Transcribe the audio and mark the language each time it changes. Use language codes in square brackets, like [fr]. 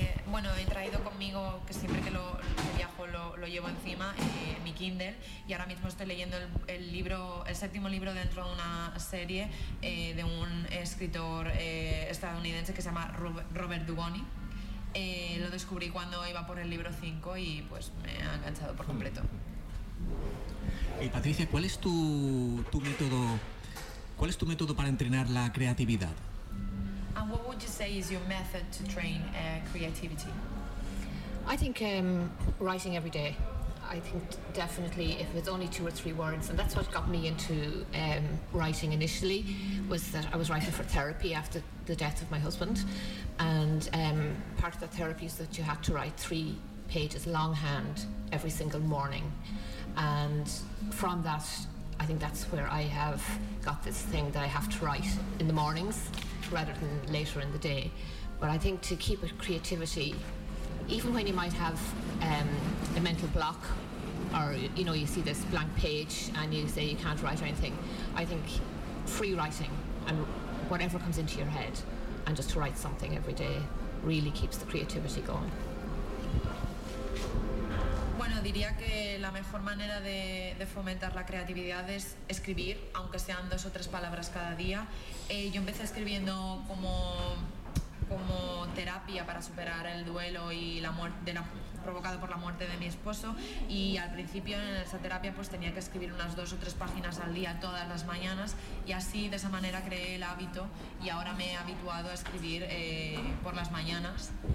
[es] Bueno, he traído conmigo, que siempre que lo viajo lo llevo encima, mi Kindle, y ahora mismo estoy leyendo el séptimo libro dentro de una serie de un escritor estadounidense que se llama Robert Dugami. Lo descubrí cuando iba por el libro 5 y pues me ha enganchado por completo. Y Patricia, ¿cuál es tu método? ¿Cuál es tu método para entrenar la creatividad? [en] And what would you say is your method to train creativity? I think writing every day. I think definitely if it's only two or three words, and that's what got me into writing initially, was that I was writing for therapy after the death of my husband, and part of that therapy is that you had to write three pages longhand every single morning. And from that, I think that's where I have got this thing that I have to write in the mornings rather than later in the day. But I think to keep a creativity, even when you might have a mental block, or you know, you see this blank page and you say you can't write anything, I think free writing and whatever comes into your head, and just to write something every day, really keeps the creativity going. [es] Bueno, diría que la mejor manera de fomentar la creatividad es escribir, aunque sean dos o tres palabras cada día. Yo empecé escribiendo como terapia para superar el duelo y la muerte provocado por la muerte de mi esposo, y al principio en esa terapia pues tenía que escribir unas dos o tres páginas al día todas las mañanas, y así de esa manera creé el hábito y ahora me he habituado a escribir por las mañanas.